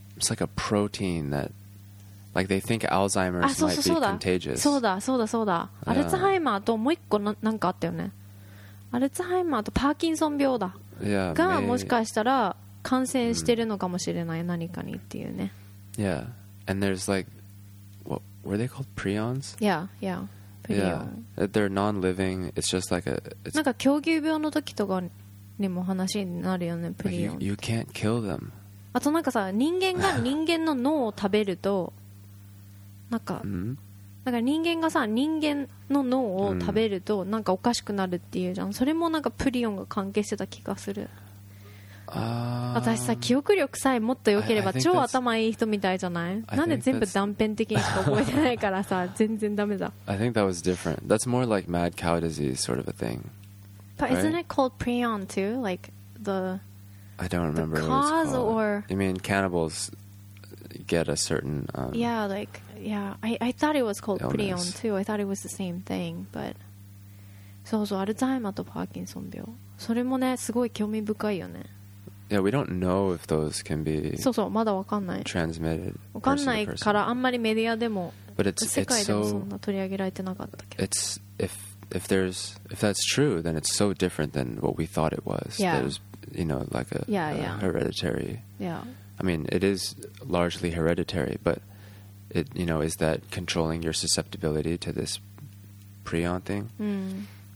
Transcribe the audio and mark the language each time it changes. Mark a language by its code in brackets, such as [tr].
[en] It's like a protein that Like they think Alzheimer's might be contagious. [ja] そうだそうだそうだ。アルツハイマーともう一個なんかあったよね。アルツハイマーとパーキンソン病だ。 [en] Yeah, [ja] がもしかしたら感染してるのかもしれない、何かにっていうね。 [en] Yeah, and there's like, what were they called? Prions? Yeah, yeah. Prion. Yeah, they're non-living. It's just like a. [ja] なんか狂牛病の時とかにも話になるよね、プリオン。 [en] You can't kill them. [ja] あとなんかさ、人間が人間の脳を食べると。なんか、なんか人間がさ、人間の脳を食べるとなんかおかしくなるっていうじゃん。それもなんかプリオンが関係してた気がする。私さ、記憶力さえもっと良ければ超頭いい人みたいじゃない？なんで全部断片的にしか覚えてないからさ、全然ダメだ。 [en] I think that was different. That's more like mad cow disease sort of a thing. But isn't it called prion too? Like the I don't remember the cause what it was called. Or I mean cannibals get a certain Yeah, I thought it was called prion too. I thought it was the same thing, but [ja] そうそう、アルツハイマーとパーキンソン病。それもね、すごい興味深いよね。 [en] Yeah, we don't know if those can be [ja] そうそう、まだわかんない。 [en] Transmitted. [ja] わかんないからあんまりメディアでも、世界でもそんな取り上げられてなかったけど。 [en] It's if that's true, then it's so different than what we thought it was. Yeah. There's, you know, like a hereditary. Yeah. I mean, it is largely hereditary, but It, you know, is that controlling your susceptibility to this prion thing?